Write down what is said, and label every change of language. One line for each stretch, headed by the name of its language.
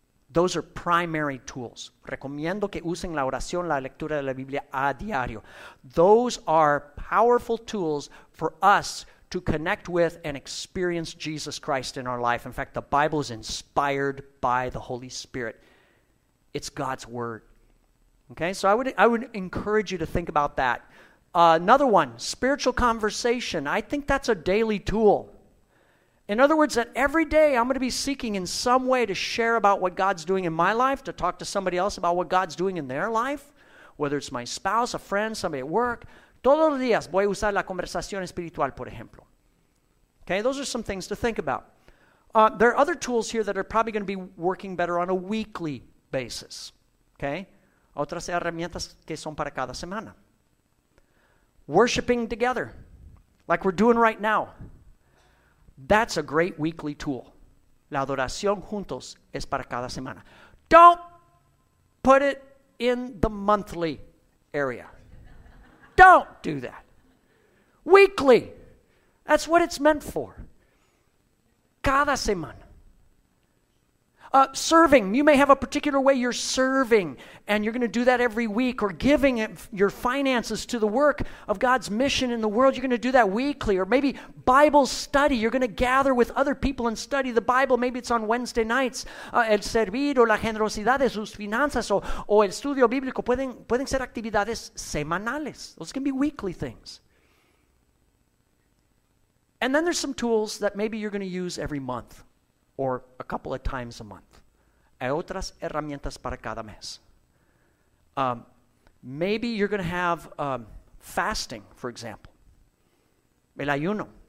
English: Those are primary tools.
Spanish: Recomiendo que usen la oración, la lectura de la Biblia a diario.
English: Those are powerful tools for us to connect with and experience Jesus Christ in our life. In fact, the Bible is inspired by the Holy Spirit. It's God's word. Okay, so I would encourage you to think about that. Another one, spiritual conversation. I think that's a daily tool. In other words, that every day I'm going to be seeking in some way to share about what God's doing in my life, to talk to somebody else about what God's doing in their life, whether it's my spouse, a friend, somebody at work.
Spanish: Todos los días voy a usar la conversación espiritual, por ejemplo.
English: Okay, those are some things to think about. There are other tools here that are probably going to be working better on a weekly basis.
Spanish: Okay, otras herramientas que son para cada semana.
English: Worshiping together, like we're doing right now. That's a great weekly tool.
Spanish: La adoración juntos es para cada semana.
English: Don't put it in the monthly area. Don't do that. Weekly. That's what it's meant for.
Spanish: Cada semana.
English: Serving, you may have a particular way you're serving, and you're going to do that every week, or giving your finances to the work of God's mission in the world. You're going to do that weekly, or maybe Bible study. You're going to gather with other people and study the Bible. Maybe it's on Wednesday nights.
Spanish: El servir o la generosidad de sus finanzas o el estudio bíblico pueden ser actividades semanales.
English: Those can be weekly things. And then there's some tools that maybe you're going to use every month or a couple of times a month.
Spanish: Hay otras herramientas para cada mes.
English: Maybe you're going to have fasting, for example.
Spanish: El ayuno.